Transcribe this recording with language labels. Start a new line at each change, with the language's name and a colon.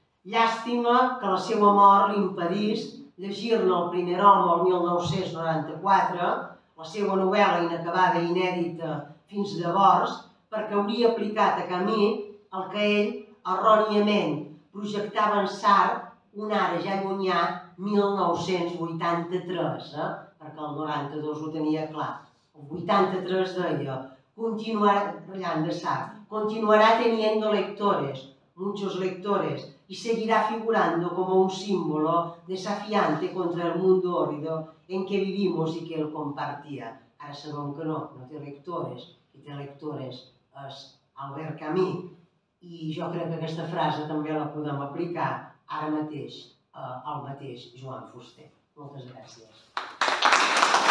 Catalan: Llàstima que la seva mort li impedís llegir-ne El primer home el 1994, la seva novel·la inacabada i inèdita fins llavors, perquè hauria aplicat a Camí el que ell, erròniament, projectava en Sartre un ara ja llunyà 1983, perquè el 92 ho tenia clar. El 83 deia, continuarà brillant de Sartre,
Spanish: continuarà teniendo lectores, muchos lectores, y seguirá figurando como un símbolo desafiante contra el mundo órido en que vivimos y que él compartía.
Catalan: Ara sabem que no, no té lectores, qui té lectores és Albert Camí. I jo crec que aquesta frase també la podem aplicar ara mateix al mateix Joan Fuster. Moltes gràcies.